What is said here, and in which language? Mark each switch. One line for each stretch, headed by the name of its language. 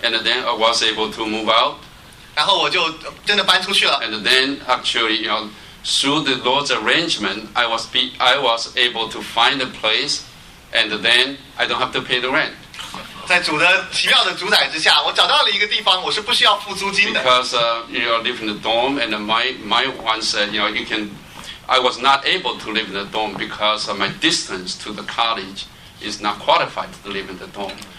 English: And then I was able to move out.
Chinese: 然后我就真的搬出去了。
English: And then actually, you know, through the Lord's arrangement, I was able to find a place, and then I don't have to pay the rent.
Chinese: 在主的奇妙的主宰之下，我找到了一个地方，我是不需要付租金的。
English: Because you live in the dorm, and my one said, you know, I was not able to live in the dorm because of my distance to the college is not qualified to live in the dorm.